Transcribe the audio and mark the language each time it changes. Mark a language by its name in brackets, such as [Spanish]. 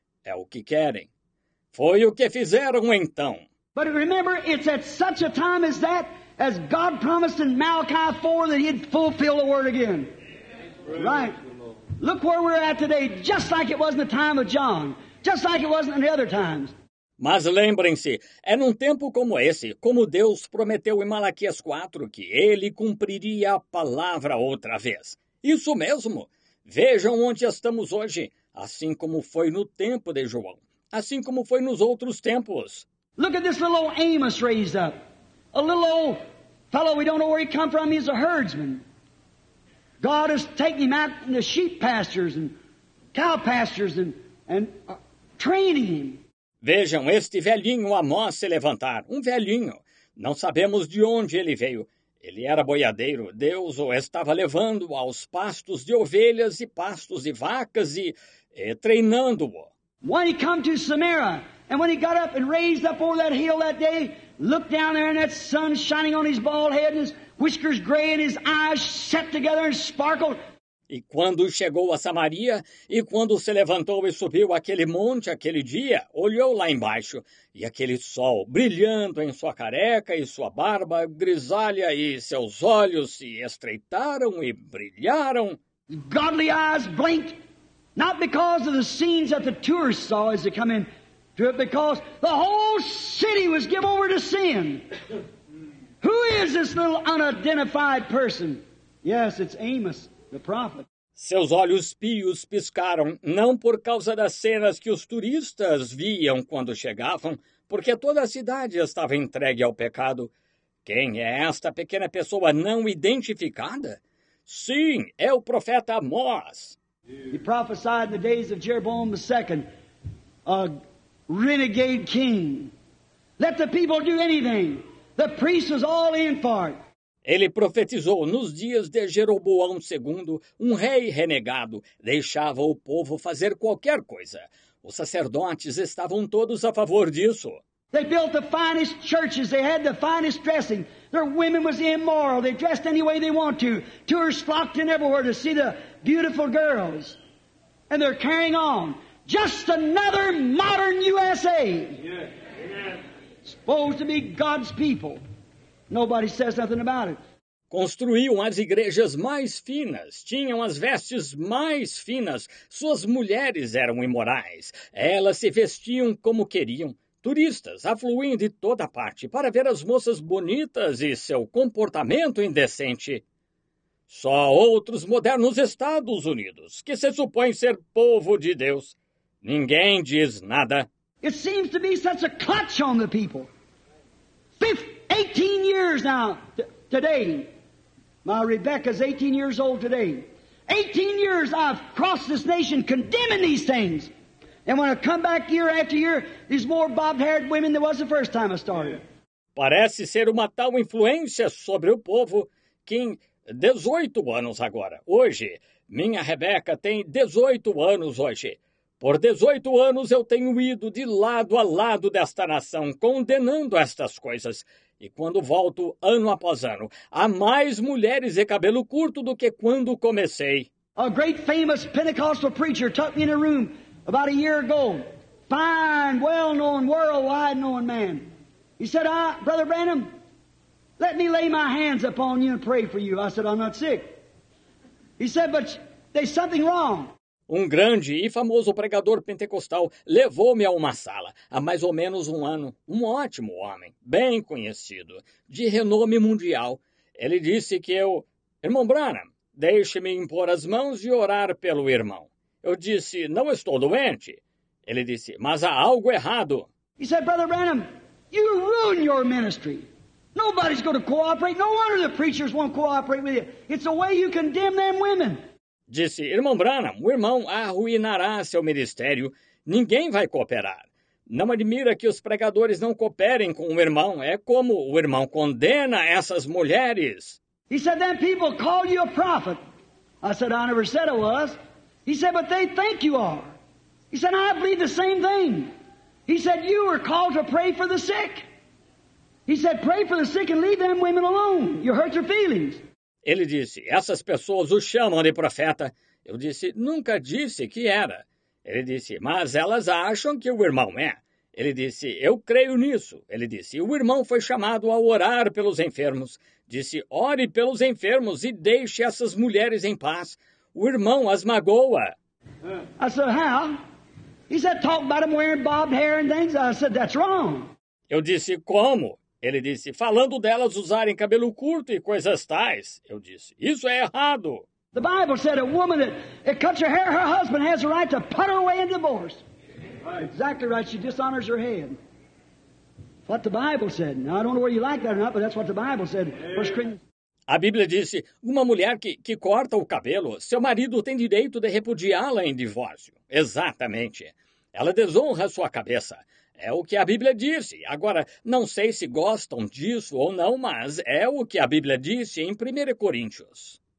[Portuguese] É o que querem. Foi o que fizeram então. [English] But remember, it's at such a time as that, as God promised in Malachi 4 that he'd fulfill the word again. Right? Look where we're at today, just like it was in the time of John. Just like it wasn't in the other times. [Portuguese] Mas lembrem-se, é num tempo como esse, como Deus prometeu em Malaquias 4, que ele cumpriria a palavra outra vez. Isso mesmo! Vejam onde estamos hoje, assim como foi no tempo de João, assim como foi nos outros tempos. [English] Look at this little old Amos raised up. A little old fellow, we don't know where he come from, he's a herdsman. God has taken him out in the sheep pastures and cow pastures and training him. [Portuguese] Vejam este velhinho Amós se levantar, um velhinho. Não sabemos de onde ele veio. Ele era boiadeiro, Deus o estava levando aos pastos de ovelhas e pastos de vacas e treinando-o. [English] When he come to Samaria, and when he got up and raised up over that hill that day, looked down there and that sun shining on his bald head and his whiskers gray and his eyes set together and sparkled. [Portuguese] E quando chegou a Samaria, e quando se levantou e subiu aquele monte aquele dia, olhou lá embaixo, e aquele sol brilhando em sua careca e sua barba grisalha, e seus olhos se estreitaram e brilharam. [English] Godly eyes blinked, not because of the scenes that the tourists saw as they come in to it, because the whole city was given over to sin. Who is this little unidentified person? Yes, it's Amos. [Portuguese] Seus olhos pios piscaram, não por causa das cenas que os turistas viam quando chegavam, porque toda a cidade estava entregue ao pecado. Quem é esta pequena pessoa não identificada? Sim, é o profeta Amós. [English] He prophesied in the days of Jeroboam II, a renegade king. Let the people do anything. The priest was all in for it. [Portuguese] Ele profetizou nos dias de Jeroboão II, um rei renegado, deixava o povo fazer qualquer coisa. Os sacerdotes estavam todos a favor disso. [English] They built the finest churches, they had the finest dressing. Their women was immoral, they dressed any way they want to. Tourists flocked in everywhere to see the beautiful girls. And they're carrying on. Just another modern USA. Supposed to be God's people. Nobody says nothing about it. [Portuguese] Construíam as igrejas mais finas, tinham as vestes mais finas, suas mulheres eram imorais, elas se vestiam como queriam, turistas afluíam de toda parte para ver as moças bonitas e seu comportamento indecente. Só outros modernos Estados Unidos, que se supõe ser povo de Deus. Ninguém diz nada. [English] It seems to be such a clutch on the people. 18 years now, today, my Rebecca's 18 years old today. 18 years I've crossed this nation condemning these things. And when I come back year after year, there's more bobbed-haired women than was the first time I started. [Portuguese] Parece ser uma tal influência sobre o povo que em 18 anos agora, hoje, minha Rebecca tem 18 anos hoje. Por 18 anos eu tenho ido de lado a lado desta nação, condenando estas coisas. E quando volto, ano após ano, há mais mulheres de cabelo curto do que quando comecei. [English] A great famous Pentecostal preacher took me in a room about a year ago. Fine, well-known, worldwide-known man. He said, Brother Branham, let me lay my hands upon you and pray for you. I said, I'm not sick. He said, but there's something wrong. [Portuguese] Um grande e famoso pregador pentecostal levou-me a uma sala há mais ou menos um ano. Um ótimo homem, bem conhecido, de renome mundial. Ele disse que eu... Irmão Branham, deixe-me impor as mãos e orar pelo irmão. Eu disse, não estou doente. Ele disse, mas há algo errado. [English] He said, Brother Branham, you ruin your ministry. Nobody's going to cooperate. No wonder the preachers won't cooperate with you. It's the way you condemn them women. [Portuguese] Disse, irmão Branham, o irmão arruinará seu ministério. Ninguém vai cooperar. Não admira que os pregadores não cooperem com o irmão. É como o irmão condena essas mulheres. [English] He said, then people call you a prophet. I said, I never said I was. He said, but they think you are. He said, I believe the same thing. He said, you were called to pray for the sick. He said, pray for the sick and leave them women alone. You hurt their feelings. [Portuguese] Ele disse, essas pessoas o chamam de profeta. Eu disse, nunca disse que era. Ele disse, mas elas acham que o irmão é. Ele disse, eu creio nisso. Ele disse, o irmão foi chamado a orar pelos enfermos. Disse, ore pelos enfermos e deixe essas mulheres em paz. O irmão as magoa. [English] I said, how? He said, talk about him wearing bobbed hair and things. I said, that's wrong. [Portuguese] Eu disse, como? Ele disse, falando delas usarem cabelo curto e coisas tais. Eu disse, isso é errado. [English] The Bible said a woman that cuts her hair, her husband has the right to put her away in divorce. Right. Exactly right. She dishonors her head. What the Bible said. Now, I don't know whether you like that or not, but that's what the Bible said. First Corinthians. [Portuguese] A Bíblia disse, uma mulher que corta o cabelo, seu marido tem direito de repudiá-la em divórcio. Exatamente. Ela desonra sua cabeça. É o que a Bíblia disse. Agora, não sei se gostam disso ou não, mas é o que a Bíblia disse em 1 Coríntios.